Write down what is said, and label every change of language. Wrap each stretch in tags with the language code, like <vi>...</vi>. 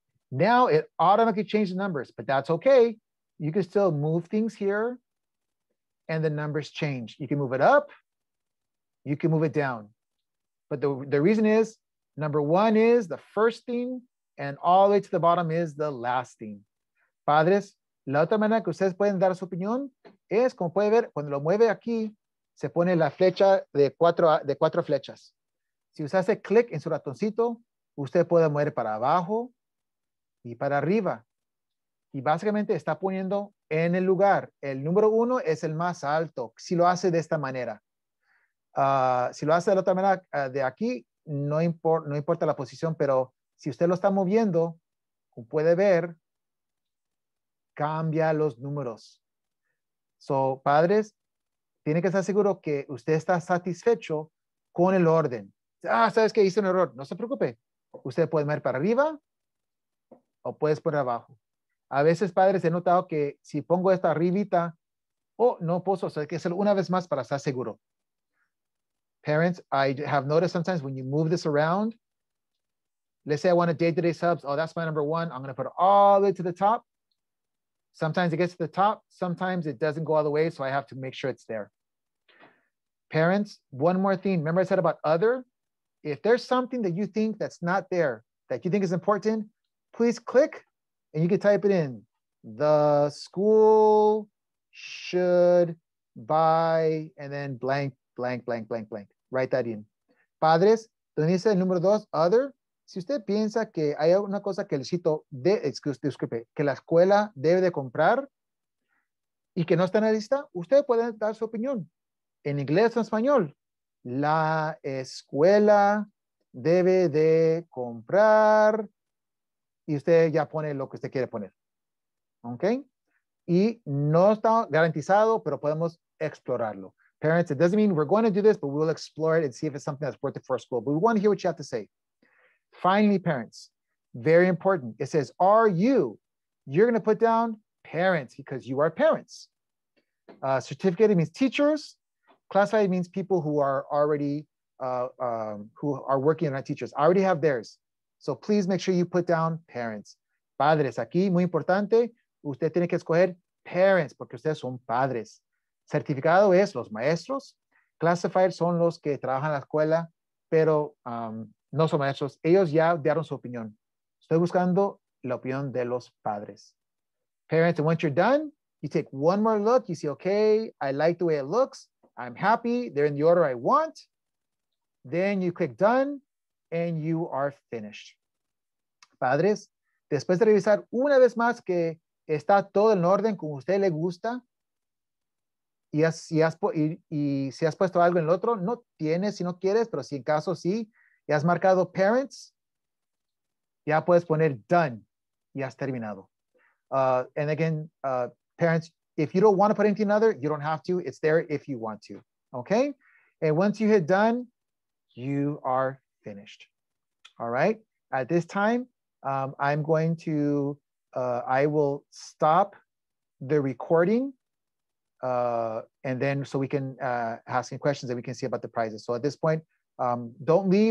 <en>Now it automatically changed the numbers, but that's okay. You can still move things here and the numbers change. You can move it up. You can move it down. But the reason is, number 1 is the first thing and all the way to the bottom is the last thing.</en> <es>Padres, la otra manera que ustedes pueden dar su opinión es, como puede ver, cuando lo mueve aquí, se pone la flecha de cuatro flechas. Si usted hace clic en su ratoncito, usted puede mover para abajo y para arriba. Y básicamente está poniendo en el lugar. El número 1 es el más alto, si lo hace de esta manera. Si lo hace de la otra manera, de aquí, no importa la posición, pero si usted lo está moviendo, como puede ver, cambia los números. So, padres, tiene que estar seguro que usted está satisfecho con el orden. Ah, ¿sabes qué? Hice un error. No se preocupe. Usted puede mover para arriba o puedes poner abajo. A veces, padres, he notado que si pongo esta arribita, no puedo hacer, que hacerlo una vez más para estar seguro.</es> <en>Parents, I have noticed sometimes when you move this around, let's say I want a day-to-day subs. Oh, that's my number 1. I'm going to put it all the way to the top. Sometimes it gets to the top. Sometimes it doesn't go all the way, so I have to make sure it's there. Parents, one more thing. Remember I said about other? If there's something that you think that's not there, that you think is important, please click and you can type it in. The school should buy, and then blank, blank, blank, blank, blank. Write that in.</en> <es>Padres, donde dice el número dos, other. Si usted piensa que hay una cosa que el sitio de, disculpe, que la escuela debe de comprar y que no está en la lista, usted puede dar su opinión. En inglés o en español, la escuela debe de comprar y usted ya pone lo que usted quiere poner. ¿Ok? Y no está garantizado, pero podemos explorarlo.</es> <en>Parents, it doesn't mean we're going to do this, but we'll explore it and see if it's something that's worth it for a school. But we want to hear what you have to say. Finally, parents, very important. It says, are you? You're going to put down parents because you are parents. Certificated means teachers. Classified means people who are already, who are working and are teachers. I already have theirs. So please make sure you put down parents.</en> <es>Padres, aquí, muy importante. Usted tiene que escoger parents porque ustedes son padres. Certificado es los maestros. Classified son los que trabajan en la escuela, pero no son maestros. Ellos ya dieron su opinión. Estoy buscando la opinión de los padres.</es> <en>Parents, and once you're done, you take one more look. You say, okay, I like the way it looks. I'm happy. They're in the order I want. Then you click done, and you are finished.</en> <es>Padres, después de revisar una vez más que está todo en orden como usted le gusta, y si has puesto algo en el otro, no tienes si no quieres, pero si en caso sí, y has marcado parents, ya puedes poner done, y has terminado.</es> <en>And again, parents, if you don't want to put anything other, you don't have to. It's there if you want to, okay? And once you hit done, you are finished, all right? At this time, I will stop the recording, and then so we can ask any questions that we can see about the prizes. So at this point, don't leave.</en>